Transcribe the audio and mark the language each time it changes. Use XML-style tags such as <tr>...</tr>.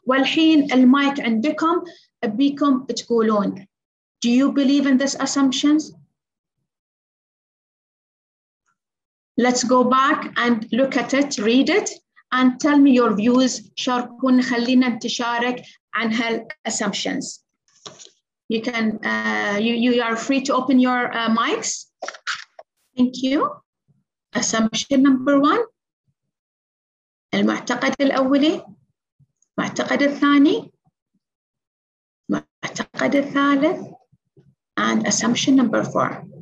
<ar>والحين المايك عندكم, أبيكم تقولون,</ar> <en>do you believe in these assumptions? Let's go back and look at it, read it, and tell me your views.</en> <ar>شاركون, خلينا نتشارك عن هال assumptions.</ar> <en>You can, you are free to open your mics. Thank you. Assumption number one.</en> <ar>المعتقد الأولي, المعتقد الثاني, المعتقد الثالث,</ar> <en>and assumption number four.</en>